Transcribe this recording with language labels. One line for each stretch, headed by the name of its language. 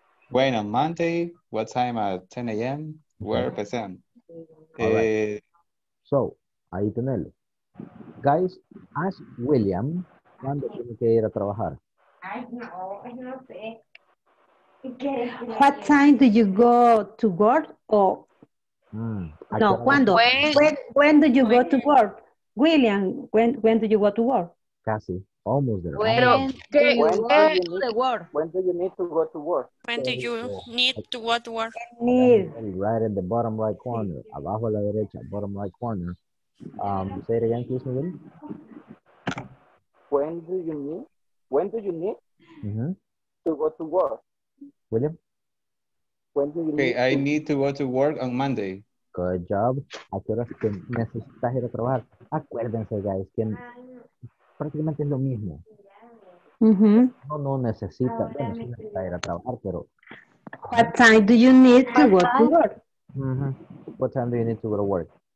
English: When on Monday, what time at 10 a.m., where present?
Spanish: Right. So, ahí tenelo.
English: Guys, ask William
Spanish: cuando tiene que ir a trabajar.
English: I know. What time do you go to work? ¿Cuándo? When do you go to work? William, when do you go to work? Casi. Almost there. Well, when do you need to go to work? When do you need to go to work? Right in the bottom right corner.
Spanish: Abajo a la derecha,
English: bottom right corner. Say it again, please, Miguel. When do you need to go to work? William? When do you need I need to go to work on Monday. Good job.
Spanish: ¿A qué horas que necesitas ir a trabajar? Acuérdense, guys, que prácticamente es lo mismo. Uh-huh. No necesita, ahora, bueno, sí necesita ir a trabajar, pero.
English: What time do you need to go to work? Uh-huh. What time do you need to go to work?